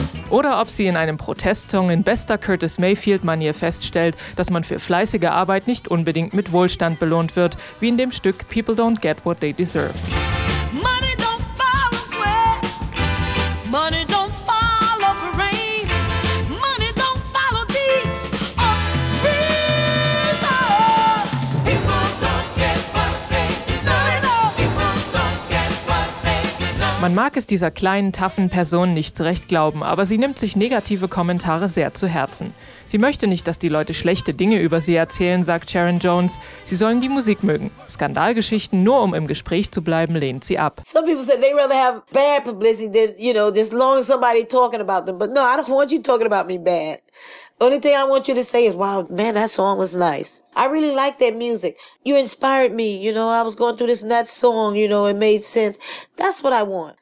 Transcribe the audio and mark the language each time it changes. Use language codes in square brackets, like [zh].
[de] Oder ob sie in einem Protestsong in bester Curtis Mayfield-Manier feststellt, dass man für fleißige Arbeit nicht unbedingt mit Wohlstand belohnt wird, wie in dem Stück People Don't Get What They Deserve. [en] Money don't follow sweat. Money don't follow praise. Money don't follow deeds of reason. People don't get what they deserve. People don't get what they deserve. [de] Man mag es dieser kleinen, taffen Person nicht so recht glauben, aber sie nimmt sich negative Kommentare sehr zu Herzen. Sie möchte nicht, dass die Leute schlechte Dinge über sie erzählen, sagt Sharon Jones. Sie sollen die Musik mögen. Skandalgeschichten, nur um im Gespräch zu bleiben, lehnt sie ab. [en] Some people say they rather have bad publicity than, you know, just long as somebody talking about them. But no, I don't want you talking about me bad. Only thing I want you to say is, wow, man, that song was nice. I really like that music. You inspired me, you know, I was going through this and that song, you know, it made sense. That's what I want.